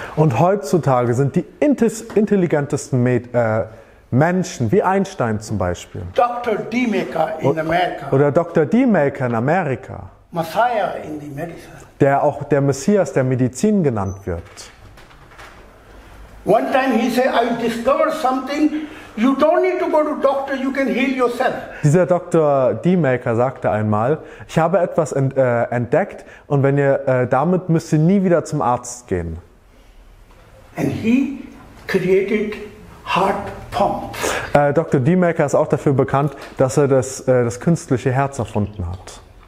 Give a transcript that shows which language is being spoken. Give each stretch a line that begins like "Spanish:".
German: Und heutzutage sind die intelligentesten Menschen, wie Einstein zum Beispiel.
English: Dr. D-Maker in America.
German: Oder Dr. D-Maker in Amerika.
English: Messiah in the medicine.
German: Der auch der Messias der Medizin genannt wird.
English: One time he said, I discovered something. You don't need to go to doctor, you can heal yourself.
German: Dieser Dr. D-Maker sagte einmal, ich habe etwas entdeckt und wenn ihr damit müsst ihr nie wieder zum Arzt gehen.
English: And he created heart pump.
German: Dr. D-Maker ist auch dafür bekannt, dass er das künstliche Herz erfunden hat.